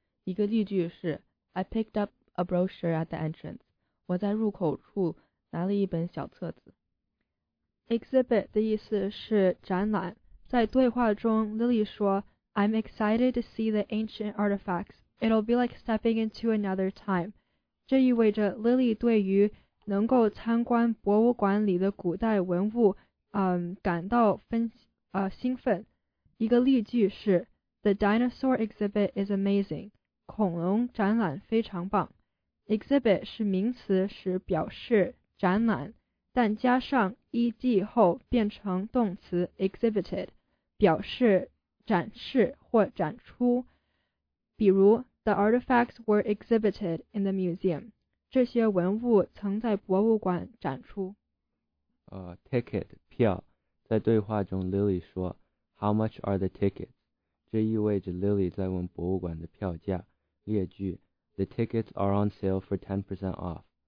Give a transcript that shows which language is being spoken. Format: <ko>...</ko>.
<zh>一个例句是</zh> <en>I picked up a brochure at the entrance.</en> <zh>我在入口处拿了一本小册子。 Exhibit 的意思是展览。在对话中 Lily 说</zh> <en>I'm excited to see the ancient artifacts. It'll be like stepping into another time.</en> <zh>这意味着 Lily 对于能够参观博物馆里的古代文物感到兴奋。一个例句是</zh> <en>The dinosaur exhibit is amazing.</en> <zh>恐龙展览非常棒。Exhibit 是名词，是表示展览，但加上 ed 后变成动词 exhibited， 表示展示或展出。比如</zh> <en>,the artifacts were exhibited in the museum.</en> <zh>这些文物曾在博物馆展出。 Ticket, 票。在对话中 ,Lily 说 ,</zh> <en>How much are the tickets?</en> <zh>这意味着 Lily 在问博物馆的票价。列举</zh> <en>,The tickets are on sale for 10% off.</en>